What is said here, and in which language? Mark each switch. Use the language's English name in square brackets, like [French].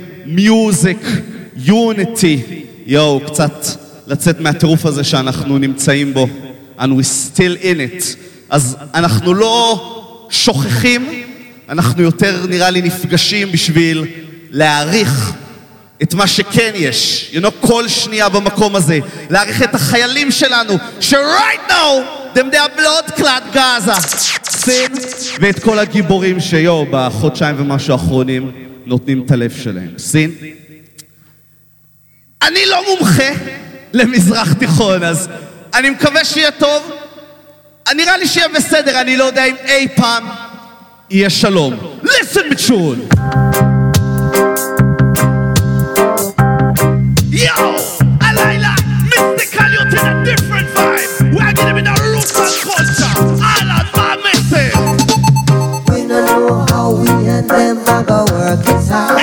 [Hebrew] מיוזיק, יוניטי. יו, קצת לצאת מהטירוף הזה שאנחנו נמצאים בו. And we're still in it. אז אנחנו לא שוכחים, אנחנו יותר נראה לי נפגשים בשביל להעריך את מה שכן יש. You know, כל שנייה במקום הזה. להעריך את החיילים שלנו, ש- right now, them they are blood clad Gaza. סין, ואת כל הגיבורים שיו, בחודשיים ומשהו האחרונים, נותנים את הלב שלהם. סין? אני לא מומחה למזרח תיכון, אז... אני מקווה שיהיה טוב. נראה לי שיהיה בסדר, אני לא יודע אם אי פעם יהיה שלום. [English] Listen me tune. Yo, הלילה, מיסטיקליות in a different vibe. We're getting in a room for culture. [Hebrew] אלן, מה המסר? [English] We don't know how we and them are gonna work it out.